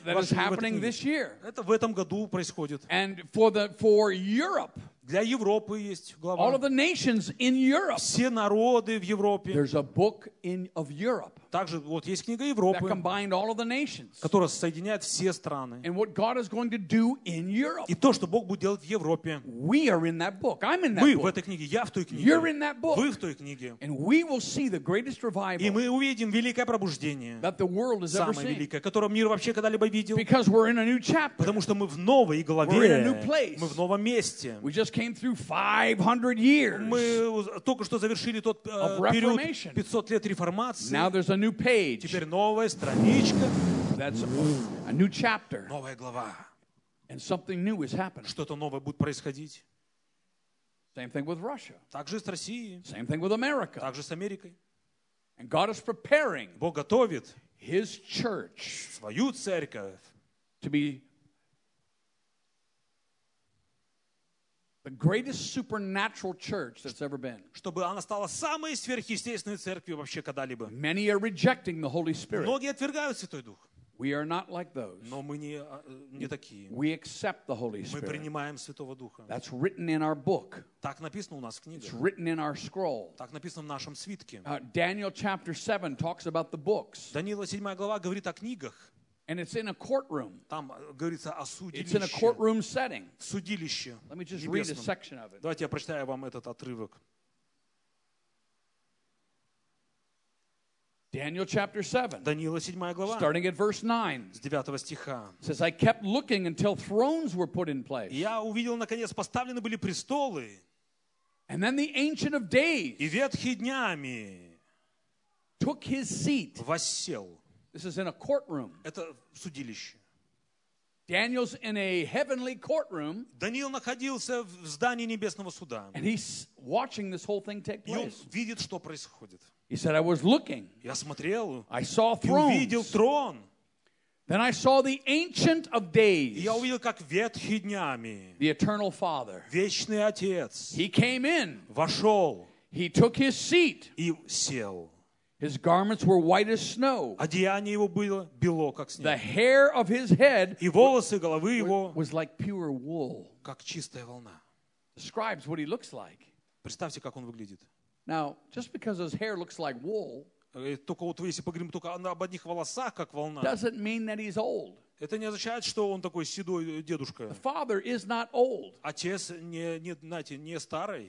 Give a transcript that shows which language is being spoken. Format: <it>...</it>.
<en>That is happening this year.</en> <ru>Это в этом году происходит.</ru> <en>And for Europe.</en> <ru>Для Европы есть глава.</ru> <en>All of the nations in Europe.</en> <ru>Все народы в Европе.</ru> <en>There's a book of Europe.</en> <ru>Также вот есть книга Европы,</ru> <en>that combined all of the nations.</en> <ru>Которая соединяет все страны.</ru> <en>And what God is going to do in Europe.</en> <ru>И то, что Бог будет делать в Европе.</ru> <en>We are in that book. I'm in that</en> <ru>Вы</ru> <en>book.</en> <ru>В этой книге, я в той книге.</ru> <en>You're in that book.</en> <ru>Вы в той книге.</ru> <en>And we will see the greatest revival.</en> <ru>И мы увидим великое пробуждение.</ru> <en>That the world has</en> <ru>самое</ru> <en>ever</en> <ru>великое,</ru> <en>seen.</en> <ru>Которое мир вообще когда-либо видел.</ru> <en>Because we're in a new chapter.</en> <ru>Потому что мы в новой главе.</ru> <en>We're in a new place.</en> <ru>Мы в новом месте.</ru> <en>We just came through 500 years.</en> <ru>Мы только что завершили тот период 500 лет реформации.</ru> <en>Now there's a new page.</en> <ru>Теперь новая страничка.</ru> <en>That's a new chapter.</en> <ru>Новая глава.</ru> <en>And something new is happening.</en> <ru>Что-то новое будет происходить.</ru> <en>Same thing with Russia.</en> <ru>Также с Россией.</ru> <en>Same thing with America.</en> <ru>Также с Америкой.</ru> <en>And God is preparing.</en> <ru>Бог готовит.</ru> <en>his church</en> <ru>свою церковь</ru> <en>to be the greatest supernatural church that's ever been.</en> <ru>Чтобы она стала самой сверхъестественной церковью вообще когда-либо.</ru> <en>Many are rejecting the Holy Spirit.</en> <ru>Многие отвергают Святой Дух.</ru> <en>We are not like those.</en> <ru>Но мы не такие.</ru> <en>We accept the Holy Spirit.</en> <ru>Мы принимаем Святого Духа.</ru> <en>That's written in our book.</en> <ru>Так написано у нас в книге.</ru> <en>It's written in our scroll.</en> <ru>Так написано в нашем свитке.</ru> <en>Daniel chapter 7 talks about the books.</en> <ru>Даниила 7 глава говорит о книгах.</ru> <en>And it's in a courtroom.</en> <ru>Там говорится о судилище.</ru> <en>It's in a courtroom setting.</en> <ru>Судилище.</ru> <en>Let me just read a section of it.</en> <ru>Давайте я прочитаю вам этот отрывок.</ru> <en>Daniel chapter 7.</en> <ru>Даниила 7 глава.</ru> <en>Starting at verse 9.</en> <ru>С 9 стиха.</ru> <en>Says I kept looking until thrones were put in place.</en> <ru>Я увидел наконец поставлены были престолы.</ru> <en>And then the ancient of days.</en> <ru>И ветхий днями.</ru> <en>Took his seat.</en> <ru>Воссел.</ru> <en>This is in a courtroom.</en> <ru>Это судилище.</ru> <en>Daniel's in a heavenly courtroom.</en> <ru>Даниил находился в здании небесного суда.</ru> <en>And he's watching this whole thing take place.</en> <ru>И он видит, что происходит.</ru> <en>He said, I was looking.</en> <ru>Я смотрел.</ru> <en>I saw thrones.</en> <ru>И увидел трон.</ru> <en>Then I saw the ancient of days.</en> <ru>Я увидел, как ветхий днями.</ru> <en>The eternal father.</en> <ru>Вечный отец.</ru> <en>He came in.</en> <ru>Вошел.</ru> <en>He took his seat.</en> <ru>И сел.</ru> <en>His garments were white as snow.</en> <ru>Одеяние его было бело, как снег.</ru> <en>The hair of his head.</en> <ru>И волосы головы его.</ru> <en>Was like pure wool.</en> <ru>Как чистая волна.</ru> <en>Describes what he looks like.</en> <ru>Представьте, как он выглядит.</ru> <en>Now, just because his hair looks like wool,</en> <ru>только вот если поговорим только об одних волосах, как волна,</ru> <en>doesn't mean that he's old.</en> <ru>Это не означает, что он такой седой дедушка.</ru> <en>The father is not old.</en> <ru>Отец не, знаете, не старый.</ru>